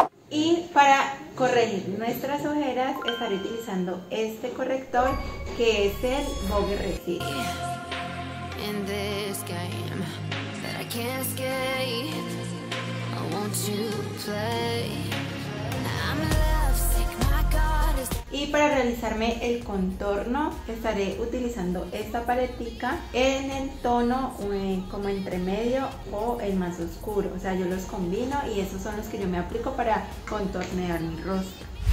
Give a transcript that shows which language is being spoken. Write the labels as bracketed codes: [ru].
[es] Y para corregir nuestras ojeras estaré utilizando este corrector que es el Vogue Refill. [en] In this game that I can't escape, I want to play. I'm love sick, my God is... [es] Y para realizarme el contorno estaré utilizando esta paletica en el tono como entre medio o el más oscuro. O sea, yo los combino y esos son los que yo me aplico para contornear mi rostro.